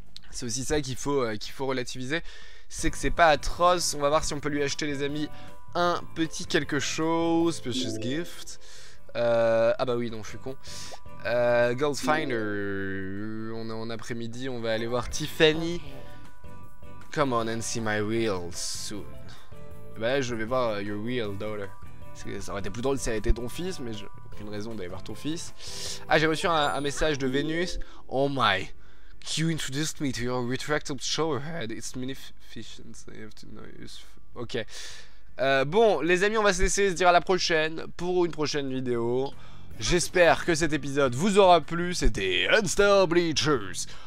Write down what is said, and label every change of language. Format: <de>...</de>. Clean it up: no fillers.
<fr>C'est aussi ça qu'il faut relativiser, c'est que c'est pas atroce. On va voir si on peut lui acheter, les amis, un petit quelque chose,</fr> <en>precious gift.</en> <fr>Ah bah oui, non, je suis con. Gold Finder, on est en après-midi, on va aller voir Tiffany.</fr> <en>Come on and see my real soon.</en> <fr>Bah je vais voir</fr> <en>your real daughter.</en> <fr>Ça aurait été plus drôle si ça avait été ton fils, mais j'ai aucune raison d'aller voir ton fils. Ah, j'ai reçu un message de Vénus.</fr> <en>Oh my, you introduced me to your retractable showerhead. It's magnificent, I have to know you. Ok.</en> <fr>Bon, les amis, on va se laisser, se dire à la prochaine pour une prochaine vidéo. J'espère que cet épisode vous aura plu. C'était Unstar Bleachers.</fr>